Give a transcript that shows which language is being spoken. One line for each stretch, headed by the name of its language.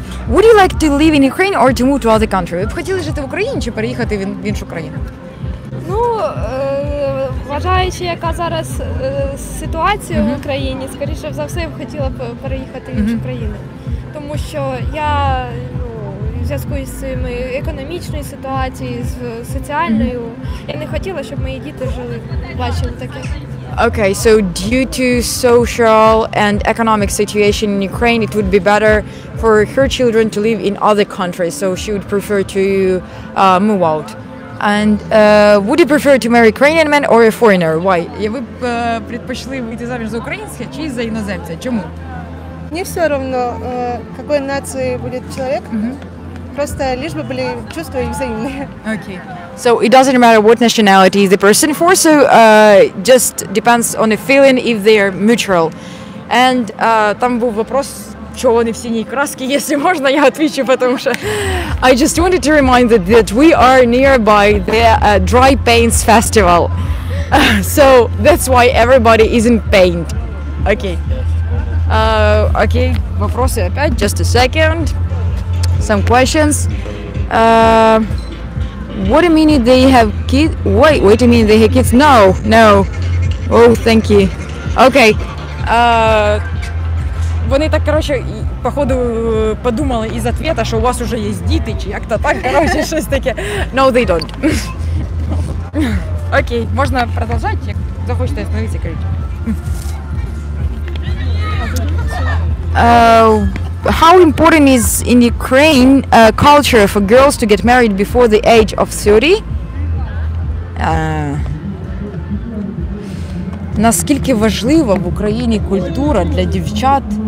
English: Would you like to live in Ukraine or to move to other country?
Ukrainian: Ви б хотіли жити в Україні чи переїхати в іншу країну? Ну, вважаючи, яка зараз ситуація в Україні, скоріше за все, я б хотіла переїхати в іншу країну. Тому що я, ну, в зв'язку з цими економічною ситуацією, з соціальною, я не хотіла, щоб мої діти жили, бачили таке.
English: Okay, so due to social and economic situation in Ukraine, it would be better for her children to live in other countries, so she would prefer to move out. And would you prefer to marry Ukrainian man or a foreigner? Why?
Ukrainian: Я б предпочла вийти заміж за українця чи за іноземця? Чому? Мені все одно, якої нації буде чоловік. Просто лиш би були чувства взаємні.
English: Okay. So it doesn't matter what nationality the person for, so just depends on the feeling if they are mutual. And
Ukrainian: там був вопрос, що вони в синій краски, якщо можна, я відвечу, тому що
English: I just wanted to remind that, that we are nearby the dry paints festival. So that's why everybody is in paint.
Russian: Okay. Okay, вопросы опять.
English: Just a second. Some questions. What do you mean they have kids? Wait a minute, they have kids? No, no. Oh, thank you. Okay.
Ukrainian: Вони так, короче, походу подумали із ответа, що у вас уже є діти, чи як-то так, короче, щось таке.
English: No, they don't.
Ukrainian: Окей, можна продовжати, як захочете остановитися, короче.
English: how important is in Ukraine culture for girls to get married before the age of 30?
Ukrainian: Наскільки важлива в Україні культура для дівчат?